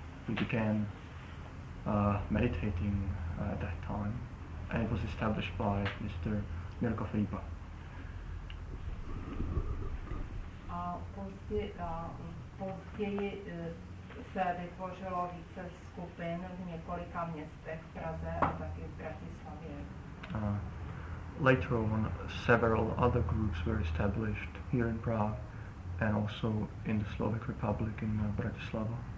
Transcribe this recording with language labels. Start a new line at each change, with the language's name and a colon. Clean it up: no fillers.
English: We began meditating at that time, and it was established by Mr. Mirko Filipa.
Czech: později se vytvořilo více skupin v několika městech v Praze a taky v Bratislavě.
English: Later on, several other groups were established here in Prague and also in the Slovak Republic in Bratislava.